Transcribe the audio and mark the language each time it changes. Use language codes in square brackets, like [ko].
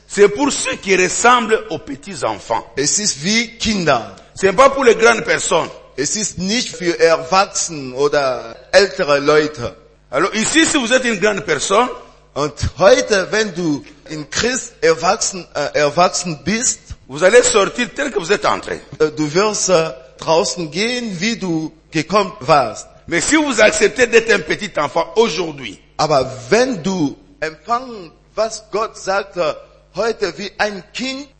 [fr] c'est pour ceux qui ressemblent aux petits enfants. [de] Es ist wie Kinder. [fr] C'est pas pour les grandes personnes. [de] Es ist nicht für Erwachsene oder ältere Leute. [fr] Alors ici, si vous êtes une grande personne, [de] und heute, wenn du in Christ erwachsen bist, [fr] vous allez sortir tel que vous êtes entré. [de] Du wirst draußen gehen, wie du gekommen warst. [fr] Mais si vous acceptez d'être un petit enfant aujourd'hui, [de] aber wenn du empfangen, was Gott sagt, heute wie ein Kind,